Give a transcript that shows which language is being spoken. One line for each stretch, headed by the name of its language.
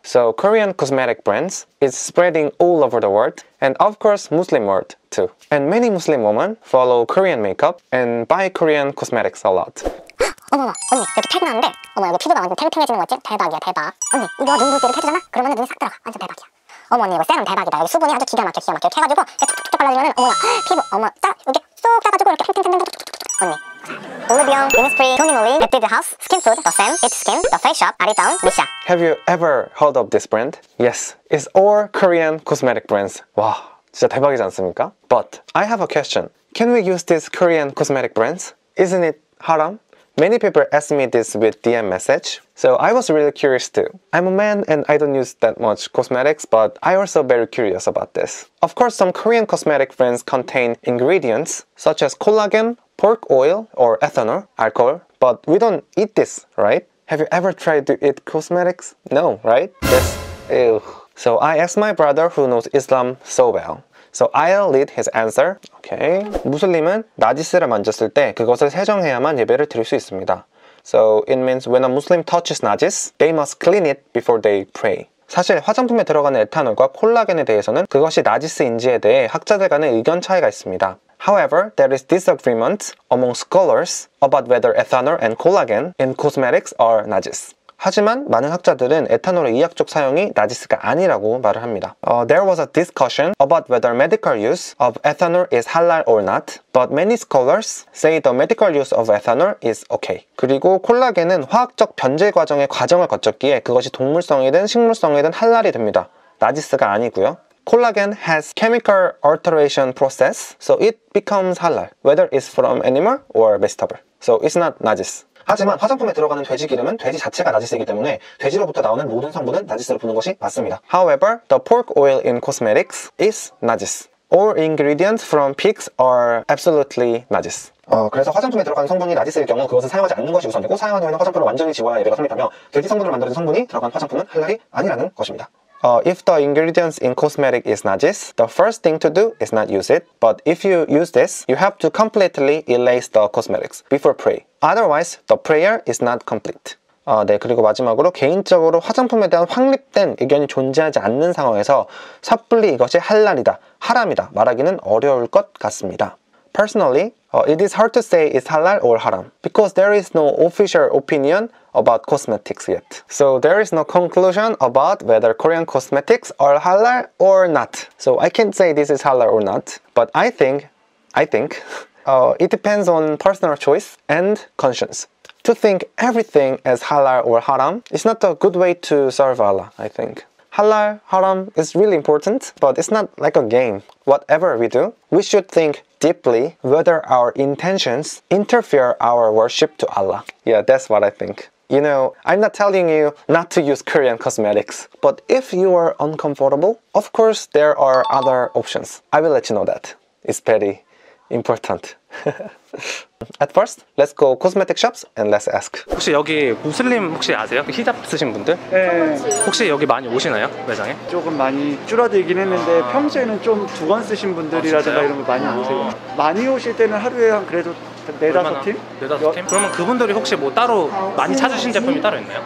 English: So Korean cosmetic brands is spreading all over the world, and of course Muslim world too. And many Muslim women follow Korean makeup and buy Korean cosmetics a lot.
Korean: 어머머, 언니, 여기 탈이 나는데, 어머, 이거 피부가 완전 탱탱해지는 거지? 대박이야, 대박. 언니, 이거 눈 붓기를 해주잖아? 그러면 눈이 싹 들어가, 완전 대박이야. 어머, 언니, 이거 세럼 대박이다. 여기 수분이 아주 기가 막혀, 기가 막혀. 이렇게 해가지고 툭툭툭 발라주면은, 어머, 피부, 어머, 짜, 이렇게 쏙 짜가지고 이렇게 탱탱탱탱탱.
English: 언니. Olivion, Innisfree, Tony Moly, Epid House, Skin Food, The Sam, It's Skin, The Face Shop, Aridon, Misha. Have you ever heard of this brand? Yes, it's all Korean cosmetic brands. Wow,
Korean: 진짜 대박이지 않습니까?
English: But I have a question. Can we use these Korean cosmetic brands? Isn't it haram? Many people ask me this with DM message, so I was really curious too. I'm a man and I don't use that much cosmetics, but I also very curious about this. Of course, some Korean cosmetic brands contain ingredients such as collagen, pork oil, or ethanol, alcohol, but we don't eat this, right? Have you ever tried to eat cosmetics? No, right? This, ew. So I asked my brother who knows Islam so well. So I'll read his answer. Okay.
Korean: 무슬림은 나지스를 만졌을 때 그것을 세정해야만 예배를 드릴 수 있습니다.
English: So it means when a Muslim touches najis, they must clean it before they pray.
Korean: 사실 화장품에 들어가는 에탄올과 콜라겐에 대해서는 그것이 나지스인지에 대해 학자들 간의 의견 차이가 있습니다.
English: However, there is disagreement among scholars about whether ethanol and collagen in cosmetics are najis.
Korean: 하지만 많은 학자들은 에탄올의 의학적 사용이 나지스가 아니라고 말을 합니다.
English: There was a discussion about whether medical use of ethanol is halal or not, but many scholars say the medical use of ethanol is okay.
Korean: 그리고 콜라겐은 화학적 변질 과정의 과정을 거쳤기에 그것이 동물성이든 식물성이든 할랄이 됩니다. 나지스가 아니고요.
English: Collagen has chemical alteration process, so it becomes halal, whether it's from animal or vegetable. So it's not najis.
Korean: 하지만 화장품에 들어가는 돼지 기름은 돼지 자체가 나지스이기 때문에 돼지로부터 나오는 모든 성분은 나지스로 보는 것이 맞습니다.
English: However, the pork oil in cosmetics is najis. All ingredients from pigs are absolutely najis.
Korean: 그래서 화장품에 들어가는 성분이 나지스일 경우 그것은 사용하지 않는 것이 우선이고 사용한 후에는 화장품을 완전히 지워야 예배가 성립하며 돼지 성분으로 만들어진 성분이 들어간 화장품은 할랄이 아니라는 것입니다.
English: If the ingredients in cosmetic is najis, the first thing to do is not use it. But if you use this, you have to completely erase the cosmetics before pray. Otherwise, the prayer is not complete.
Korean: 네, 그리고 마지막으로 개인적으로 화장품에 대한 확립된 의견이 존재하지 않는 상황에서 섣불리 이것이 할랄이다, 하람이다 말하기는 어려울 것 같습니다.
English: Personally, it is hard to say it's halal or haram because there is no official opinion about cosmetics yet. So there is no conclusion about whether Korean cosmetics are halal or not. So I can't say this is halal or not, but I think it depends on personal choice and conscience. To think everything as halal or haram is not a good way to serve Allah, I think. Halal, haram is really important, but it's not like a game. Whatever we do, we should think deeply whether our intentions interfere our worship to Allah. Yeah, that's what I think. You know, I'm not telling you not to use Korean cosmetics, but if you are uncomfortable, of course there are other options. I will let you know that. It's very important. At first, let's go cosmetic shops and let's ask.
Korean: 혹시 여기 무슬림 혹시 아세요? 히잡 쓰신 분들? 네. 혹시 여기 많이 오시나요? 매장에? 조금 많이 줄어들긴 했는데 평소에는 좀 두 번 쓰신 분들이라든가 이런 거 많이 오세요. 많이 오실 때는 하루에 한 그래도 네다섯 팀? 네다섯 팀? 그러면 그분들이 혹시 뭐 따로 많이 찾으신 제품이 따로 있나요?